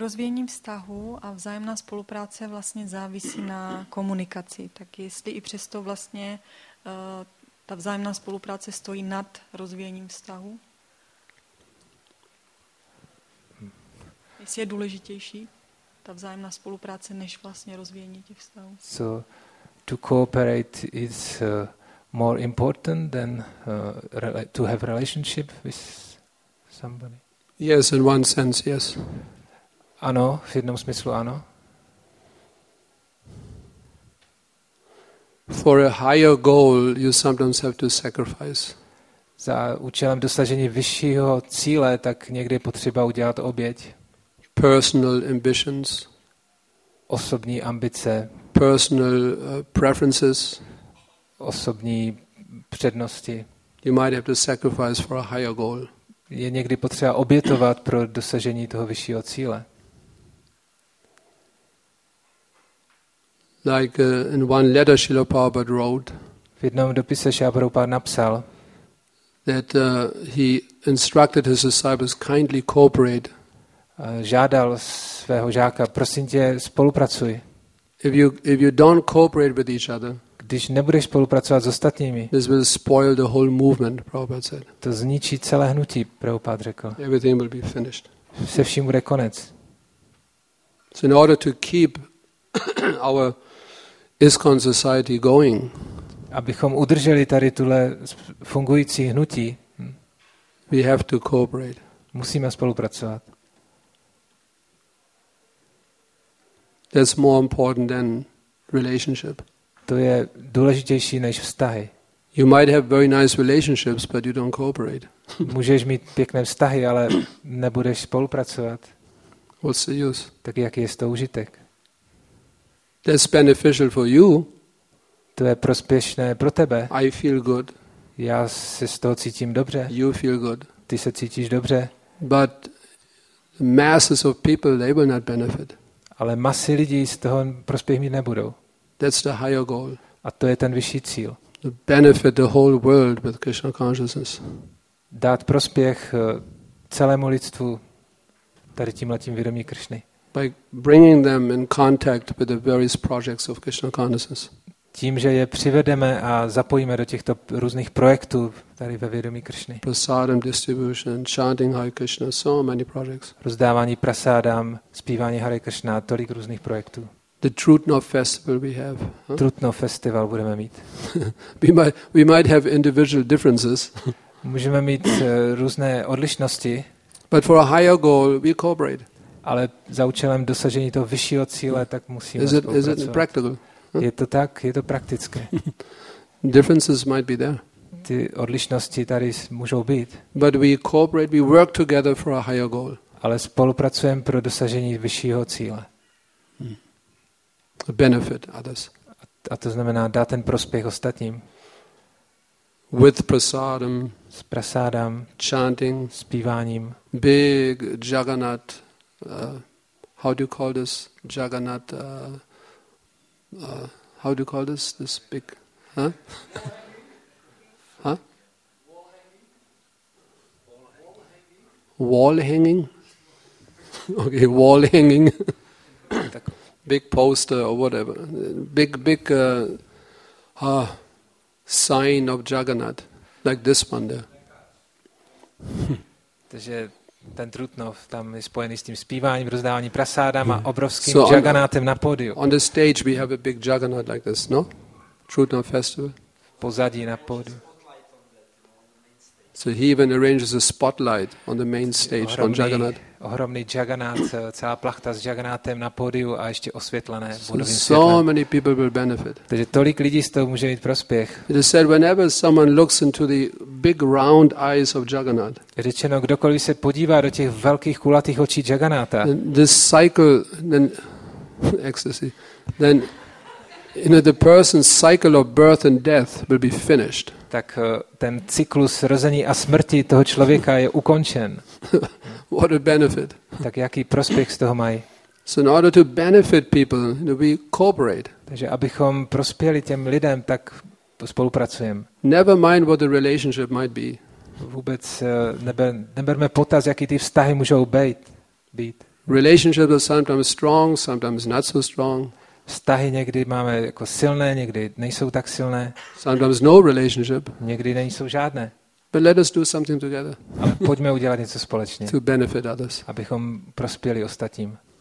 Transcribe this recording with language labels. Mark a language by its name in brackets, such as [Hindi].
[Czech] Rozvíjení vztahu a vzájemná spolupráce vlastně závisí na komunikaci. Tak jestli i přesto vlastně ta vzájemná spolupráce stojí nad rozvíjením vztahu? Jestli je důležitější ta vzájemná spolupráce než vlastně rozvíjení těch vztahů? [English] So to cooperate is more important than to have relationship with somebody. Yes, in one sense, yes. [Czech] Ano, v jednom smyslu ano. [English] For a higher goal, you sometimes have to sacrifice. [Czech] Za účelem dosažení vyššího cíle, tak někdy potřeba udělat oběť. [English] Personal ambitions. [Czech] Osobní ambice. [English] Personal preferences. [Czech] Osobní přednosti. [English] You might have to sacrifice for a higher goal. [Czech] Je někdy potřeba obětovat pro dosažení toho vyššího cíle. [English] Like in one letter Srila Prabhupada wrote. [Czech] V jednom dopise Srila Prabhupada napsal, [English] that he instructed his disciples kindly cooperate. [Czech] Žádal svého žáka, prosím tě, spolupracuj. [English] If you don't cooperate with each other, [Czech] když nebudeš spolupracovat s ostatními, [English] this will spoil the whole movement, Prabhupada said. [Czech] To zničí celé hnutí, Prabhupada řekl. [English] Everything will be finished. [Czech] Se vším bude konec. [English] So in order to keep our ISKCON society going, [Czech] abychom udrželi tady tuhle fungující hnutí, [English] we have to cooperate. [Czech] Musíme spolupracovat. [English] That's more important than relationship. [Czech] To je důležitější než vztahy. [English] You might have very nice relationships, but you don't cooperate. [Czech] Můžeš mít pěkné vztahy, ale nebudeš spolupracovat. [English] What's the use? [Czech] Tak jaký je to užitek? [English] That's beneficial for you. [Czech] To je prospěšné pro tebe. [English] I feel good. [Czech] Já se z toho cítím dobře. [English] You feel good. [Czech] Ty se cítíš dobře. [English] But the masses of people, they will not benefit. [Czech] Ale masy lidí z toho prospěch mít nebudou. [English] That's the higher goal. [Czech] A to je ten vyšší cíl. [English] To benefit the whole world with Krishna consciousness. [Czech] Dát prospěch celému lidstvu tady tímhletím vědomí Krishny. [English] By bringing them in contact with the various projects of Krishna consciousness. [Czech] Tím, že je přivedeme a zapojíme do těchto různých projektů tady ve vědomí Krishny. [English] Prasadam distribution, chanting Hare Krishna, so many projects. [Czech] Rozdávání prasádám, zpívání Hare Krishna, tolik různých projektů. [English] The Trutnov festival we have. [Czech] Huh? Trutnov festival budeme mít. [English] we might have individual differences. [Czech] Můžeme mít různé odlišnosti. [English] But for a higher goal, we cooperate. [Czech] Ale za účelem dosažení toho vyššího cíle, tak musíme spolupracovat. [English] Is it practical? [Czech] Huh? Je to tak, je to praktické. [English] Differences might be there. [Czech] Ty odlišnosti tady můžou být. [English] But we cooperate, we work together for a higher goal. [Czech] Ale spolupracujeme pro dosažení vyššího cíle. [English] Benefit others. [Czech] A to znamená dát ten prospěch ostatním. [English] With prasadam. [Czech] S prasadam. [English] Chanting. [Czech] Zpíváním. [English] Big Jagannath. How do you call this? Jagannath. How do you call this? This big. Huh? Huh? wall hanging. Okay, wall hanging. Big poster or whatever. Big sign of Jagannath, like this one there. [Czech] Takže ten Trutnov tam je spojený s tím zpíváním, rozdávání prasádama, obrovským so Jagannathem na pódiu. [English] On the stage we have a big Jagannath like this, no? Trutnov festival. [Czech] Pozadí na pódiu. [English] So he even arranges a spotlight on the main stage [Czech] ohromný, [English] on Jagannath. [Czech] Ohromný Jagannath, celá plachta s Jagannathem na pódiu a ještě osvětlené bodovým světlem. [English] So many people will benefit. [Czech] Takže tolik lidí z toho může mít prospěch. [English] It is said whenever someone looks into the big round eyes of Jagannath. [Czech] Řečeno, kdokoliv se podívá do těch velkých kulatých očí Jagannatha. [English] This cycle then ecstasy. Then you know the person's cycle of birth and death will be finished. [Czech] Tak ten cyklus rození a smrti toho člověka je ukončen. [English] What a benefit. [Czech] Tak jaký prospěch z toho mají? [English] So in order to benefit people, you know, we cooperate. [Czech] Takže abychom prospěli těm lidem, tak spolupracujeme. [English] Never mind what the relationship might be. [Czech] Vůbec neberme potaz, jaký ty vztahy můžou být. [English] Relationships are sometimes strong, sometimes not so strong. [Czech] Vztahy někdy máme jako silné, někdy nejsou tak silné. [English] Sometimes no relationship. [Czech] Někdy nejsou žádné. [English] But let us do something together. [Czech] Ale pojďme udělat něco společně. [English] To benefit others. [Czech] Abychom prospěli ostatním.